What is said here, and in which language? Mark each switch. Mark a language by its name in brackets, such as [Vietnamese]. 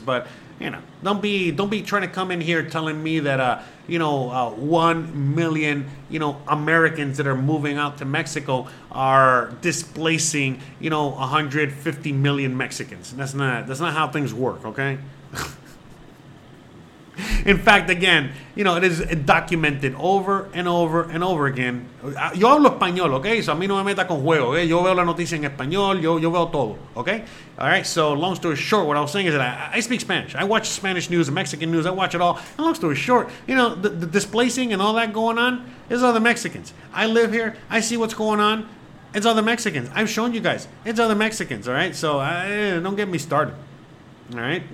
[English] But, you know, don't be trying to come in here telling me that, you know, 1 million, you know, Americans that are moving out to Mexico are displacing, you know, 150 million Mexicans. That's not how things work, okay? In fact, again, you know, it is documented over and over and over again. [Spanish] Yo hablo español, okay? So a mí no me meta con juego, okay? Yo veo la noticia en español, yo veo todo, okay? [English] All right, so long story short, what I was saying is that I speak Spanish. I watch Spanish news, Mexican news, I watch it all. And long story short, you know, the displacing and all that going on is other Mexicans. I live here, I see what's going on, it's other Mexicans. I've shown you guys, it's other Mexicans, all right? So don't get me started, all right?